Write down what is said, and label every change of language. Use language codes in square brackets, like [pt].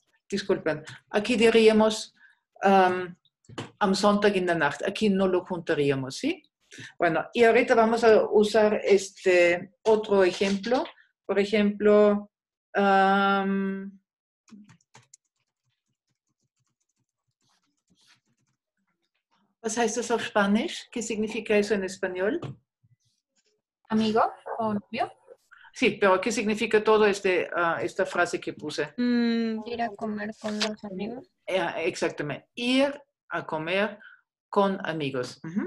[es] Disculpen. Aquí diríamos [de] am Sonntag in der Nacht. [es] Aquí no lo juntaríamos, ¿sí? Bueno, y ahorita vamos a usar este otro ejemplo. Por ejemplo, ¿qué [de] heißt das auf Spanisch? [es] ¿Qué significa eso en español? Amigo o novio. Sí, pero ¿qué significa todo esta frase que puse? Ir a comer con los amigos. Exactamente. Ir a comer con amigos.